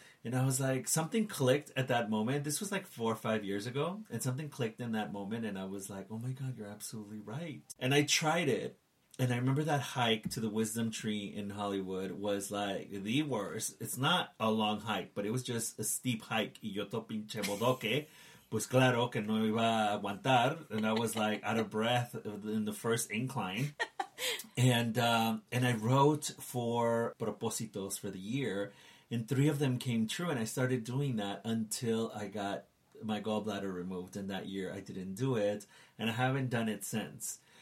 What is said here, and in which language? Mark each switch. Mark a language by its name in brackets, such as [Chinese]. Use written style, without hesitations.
[English] And I was like, something clicked at that moment. This was like 4 or 5 years ago. And something clicked in that moment. And I was like, oh my God, you're absolutely right. And I tried it. And I remember that hike to the Wisdom Tree in Hollywood was like the worst. It's not a long hike, but it was just a steep hike. [Spanish] Y yo to pinche bodoque. Pues claro que no iba a aguantar. [English] And I was like out of breath in the first incline. And I wrote 4 propósitos for the year. And 3 of them came true, and I started doing that until I got my gallbladder removed. And that year, I didn't do it, and I haven't done it since.